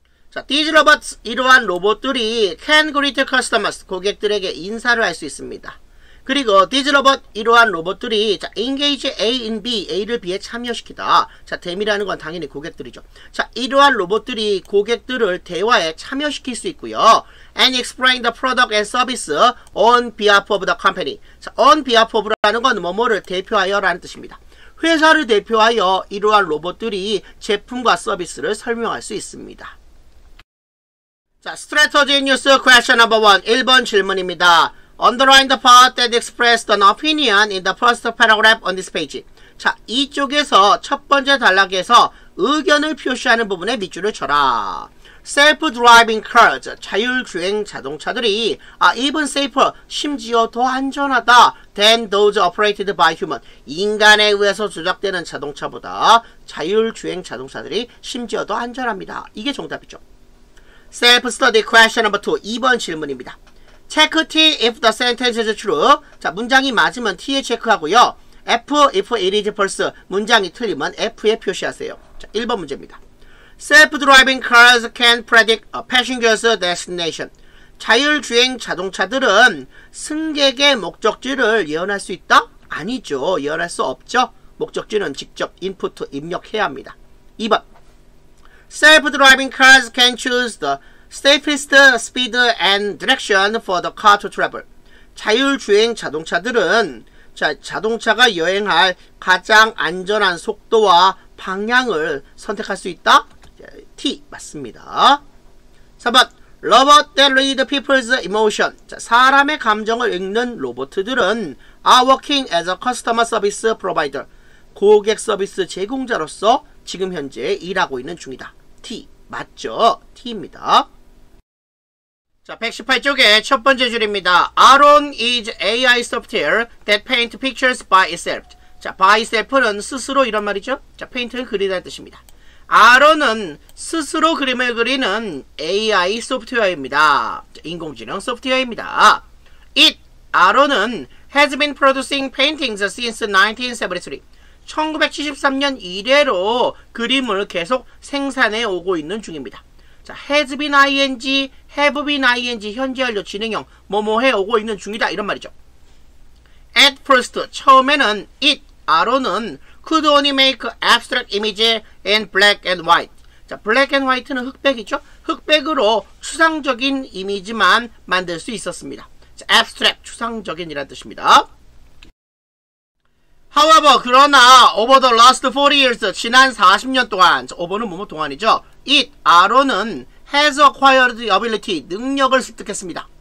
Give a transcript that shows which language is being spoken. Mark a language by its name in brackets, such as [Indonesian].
[Korean] 자, [English] these robots, [Korean] 이러한 로봇들이 [English] can greet customers, [Korean] 고객들에게 인사를 할 수 있습니다. 그리고 [English] these robots, [Korean] 이러한 로봇들이 자, [English] engage A in B, [Korean] A를 B에 참여시키다. 자, them이라는 건 당연히 고객들이죠. 자, 이러한 로봇들이 고객들을 대화에 참여시킬 수 있고요. [English] and explain the product and service on behalf of the company. [Korean] 자, [English] on behalf of [Korean] 라는 건 뭐뭐를 대표하여라는 뜻입니다. 회사를 대표하여 이러한 로봇들이 제품과 서비스를 설명할 수 있습니다. [English] 자, strategy news question number 1. [Korean] 1번 질문입니다. [English] Underline the part that expressed an opinion in the first paragraph on this page. [Korean] 자, 이쪽에서 첫 번째 단락에서 의견을 표시하는 부분에 밑줄을 쳐라. [English] Self-driving cars, [Korean] 자율주행 자동차들이 [English] even safer, [Korean] 심지어 더 안전하다 [English] than those operated by human. [Korean] 인간에 의해서 조작되는 자동차보다 자율주행 자동차들이 심지어 더 안전합니다. 이게 정답이죠. [English] Self-study question number 2, [Korean] 2번 질문입니다. [English] Check T if the sentence is true. [Korean] 자, 문장이 맞으면 T에 체크하고요. [English] F if it is false. [Korean] 문장이 틀리면 F에 표시하세요. 자, 1번 문제입니다. [English] Self-driving cars can predict a passenger's destination. [Korean] 자율주행 자동차들은 승객의 목적지를 예언할 수 있다? 아니죠. 예언할 수 없죠. 목적지는 직접 input, 입력해야 합니다. 2번. [English] Self-driving cars can choose the safest speed and direction for the car to travel. [Korean] 자율주행 자동차들은 자동차가 여행할 가장 안전한 속도와 방향을 선택할 수 있다? T 맞습니다. 3번 [English] Robot that read people's emotion. 자, [Korean] 사람의 감정을 읽는 로봇들은 [English] are working as a customer service provider. [Korean] 고객 서비스 제공자로서 지금 현재 일하고 있는 중이다. T 맞죠? T입니다. 자, 118쪽에 첫 번째 줄입니다. [English] Aron is AI software that paints pictures by itself. [Korean] 자, by itself는 스스로 이런 말이죠. 자, paint를 그리다는 뜻입니다. Aron은 스스로 그림을 그리는 AI 소프트웨어입니다. 자, 인공지능 소프트웨어입니다. [English] It, Aron은 has been producing paintings since 1973. [Korean] 1973년 이래로 그림을 계속 생산해 오고 있는 중입니다. 자, has been ing, have been ing 현재 완료 진행형 뭐뭐해 오고 있는 중이다 이런 말이죠. [English] At first [Korean] 처음에는 [English] it [Korean] 아로는 [English] could only make abstract image in black and white. [Korean] 자, black and white는 흑백이죠. 흑백으로 추상적인 이미지만 만들 수 있었습니다. 자, abstract 추상적인이라는 뜻입니다. [English] However, [Korean] 그러나 [English] over the last 40 years, [Korean] 지난 40년 동안, over는 뭐뭐 동안이죠? [English] It, R로는 has acquired the ability, [Korean] 능력을 습득했습니다.